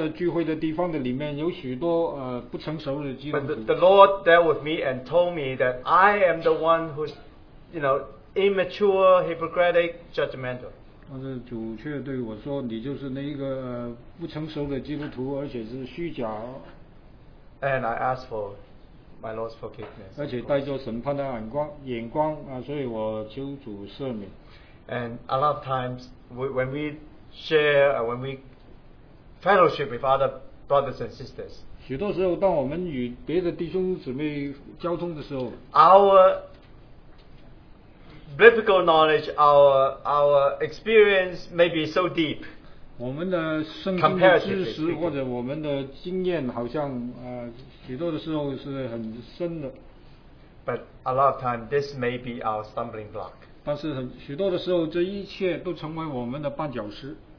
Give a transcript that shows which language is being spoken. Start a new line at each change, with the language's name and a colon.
Chinese: 很多时候在许多的聚会的地方的里面 有许多, 不成熟的基督徒。
English: But the Lord dealt with me and told me that I am the one who's, you know, immature, hypocritic, judgmental.
Chinese: 但是主却对我说, 你就是那一个, 不成熟的基督徒, 而且是虚假,
English: and I asked for my Lord's forgiveness.
Chinese: 而且带着审判的眼光, 眼光, 所以我求主赦免。
English: And a lot of times, when we share, when we fellowship with other brothers and sisters,
Chinese: 许多时候当我们与别的弟兄姊妹交通的时候,
English: our biblical knowledge, our experience may be so deep.
Chinese: 我们的圣经的知识, 或者我们的经验好像, 许多的时候是很深的。
English: But a lot of times, this may be our stumbling block.
Chinese: 但是很许多的时候, 这一切都成为我们的绊脚石。